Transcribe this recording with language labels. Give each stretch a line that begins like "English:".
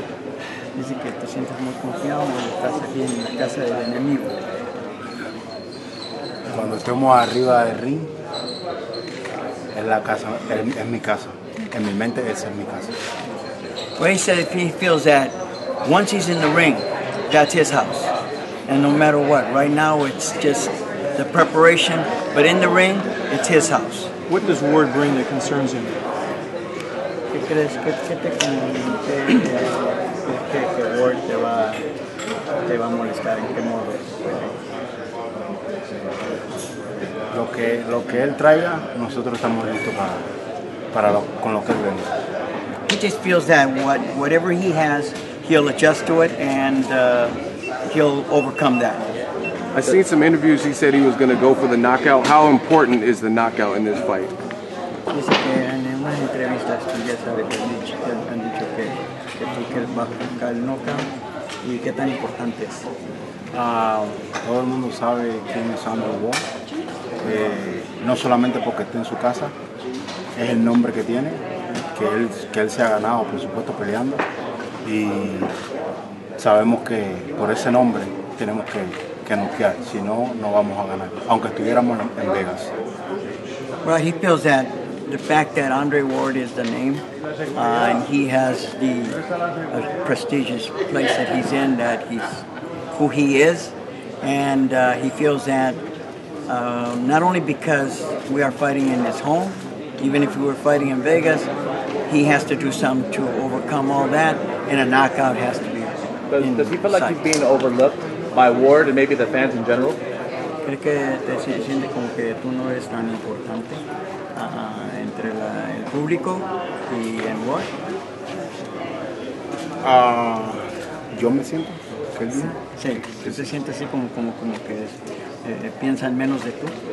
Spanish: Dice que te sientes muy confiado cuando estás aquí en la casa del enemigo. Cuando estemos arriba del ring, es la casa, es mi casa. En mi mente, esa es mi casa.
English: Well, he said if he feels that once he's in the ring, that's his house. And no matter what, right now it's just the preparation, but in the ring, it's his house. What does Ward bring that concerns him?
Spanish: ¿Qué crees que te comenté que Ward te va a molestar? ¿En qué modo? Lo que él traiga, nosotros estamos listos para lo, con lo que él venga.
English: He just feels that whatever he has, he'll adjust to it and he'll overcome that. I seen some interviews, he said he was going to go for the knockout. How important is the knockout in this fight?
Spanish: Dice que en unas entrevistas tú ya sabes que han dicho que tú quieres buscar el knockout y qué tan importante es. Todo el mundo sabe quién es Andrew Wong. No solamente porque esté en su casa, es el nombre que tiene, que él se ha ganado, por supuesto, peleando. Y sabemos que por ese nombre tenemos que noquear, si no, no vamos a ganar, aunque estuviéramos en Vegas.
English: Well, he feels that the fact that Andre Ward is the name, and he has the prestigious place that he's in, that he's who he is, and he feels that not only because we are fighting in his home, even if we were fighting in Vegas, he has to do something to overcome all that, and a knockout has to be. Does he feel like he's being overlooked by Ward and maybe the fans in general?
Spanish: ¿Crees que te sientes como que tú no eres tan importante entre el público y en Ward? Yo me siento. Sí. ¿Te sientes así como que piensan menos de ti?